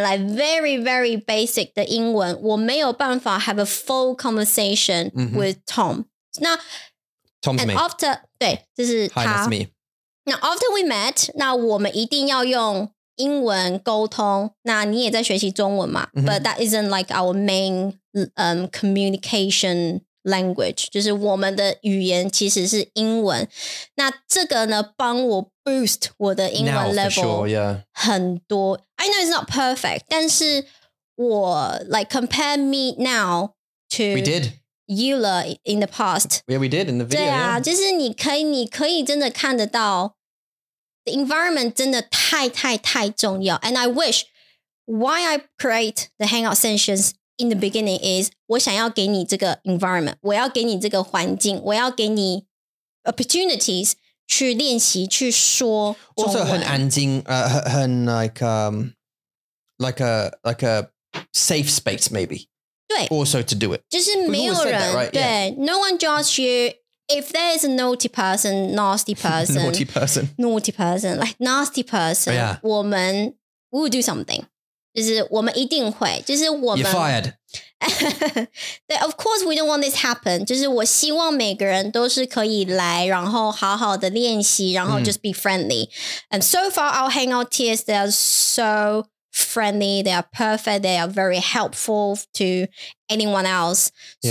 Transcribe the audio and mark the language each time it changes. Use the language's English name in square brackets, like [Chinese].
[Chinese] 来 [English] very, very basic [Chinese] 的英文。我没有办法 [English] have a full conversation with Tom. [Chinese] 那 [English] Tom's and me. After, [Chinese] 对，就是他。 [English] Hi, that's me. Now, after we met, [Chinese] 那我们一定要用英文沟通。那你也在学习中文嘛。 [English] But that isn't like our main communication language. [Chinese] 就是我们的语言其实是英文。那这个呢帮我 boost 我的英文 level很多。 [English] Now, for sure, yeah. I know it's not perfect, [Chinese] 但是我 [English] like compare me now to Eula in the past. Yeah, we did in the video. [Chinese] 对啊、 [English] yeah. [Chinese] 就是你可以真的看得到 [English] The environment [Chinese] 真的太太太重要 [English] And I wish why I create the hangout sessions in the beginning is [Chinese] 我想要给你这个 environment 我要给你这个环境我要给你 opportunities 去练习去说中文 [English] Also [Chinese] 很安静、很 [English] like a safe space maybe [Chinese] 对 [English] Also to do it [Chinese] 就是没有人 [English] that,、right? [Chinese] 对、 [English] yeah. No one judges you If there is a naughty person, nasty person, naughty person, yeah. [Chinese] 我们 [English] we will do something. [Chinese] 就是我们一定会，就是我们 [English] You're fired. [Chinese] 对 [English] ，Of course, we don't want this happen. [Chinese] 就是我希望每个人都是可以来，然后好好的练习，然后 [English] just be friendly. And so far, our hangout tiers, they are so friendly. They are perfect. They are very helpful to. Anyone else?、Yeah.